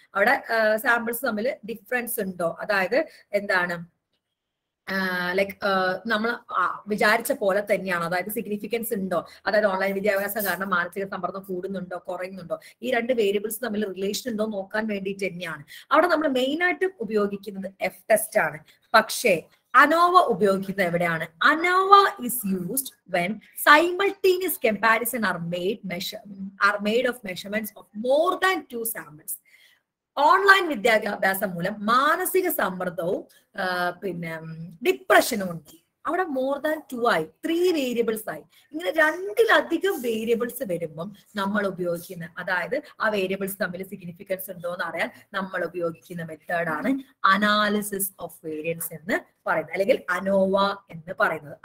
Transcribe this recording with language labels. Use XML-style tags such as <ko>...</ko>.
<ml>അവിടെ സാമ്പിൾസ് തമ്മിൽ ഡിഫറൻസ് ഉണ്ടോ, അതായത് എന്താണ് ലൈക്ക് നമ്മൾ വിചാരിച്ച പോലെ തന്നെയാണ്, അതായത് സിഗ്നിഫിക്കൻസ് ഉണ്ടോ, അതായത് ഓൺലൈൻ വിദ്യാഭ്യാസം കാരണം മാനസിക സമ്മർദ്ദം കൂടുന്നുണ്ടോ കുറയുന്നുണ്ടോ, ഈ രണ്ട് വേരിയബിൾസ് തമ്മിൽ റിലേഷൻ ഉണ്ടോ നോക്കാൻ വേണ്ടിയിട്ട് തന്നെയാണ്. അവിടെ നമ്മൾ മെയിൻ ആയിട്ടും ഉപയോഗിക്കുന്നത് എഫ് ടെസ്റ്റ് ആണ്. പക്ഷേ ANOVA ഉപയോഗിക്കുന്നത് എവിടെയാണ്?</ml> <en>ANOVA is used when simultaneous comparison are made of measurements of more than two samples.</en> <ml>Online വിദ്യാഭ്യാസം മൂലം മാനസിക സമ്മർദ്ദവും പിന്നെ ഡിപ്രഷനും ഉണ്ട്. അവിടെ മോർ ദാൻ ടു ആയി, ത്രീ വേരിയബിൾസ് ആയി, ഇങ്ങനെ രണ്ടിലധികം വേരിയബിൾസ് വരുമ്പം നമ്മൾ ഉപയോഗിക്കുന്ന, അതായത് ആ വേരിയബിൾസ് തമ്മിൽ സിഗ്നിഫിക്കൻസ് ഉണ്ടോ എന്ന് അറിയാൻ നമ്മൾ ഉപയോഗിക്കുന്ന മെത്തേഡാണ് അനാലിസിസ് ഓഫ് വേരിയൻസ് എന്ന് പറയുന്നത്, അല്ലെങ്കിൽ ANOVA എന്ന് പറയുന്നത്.</ml>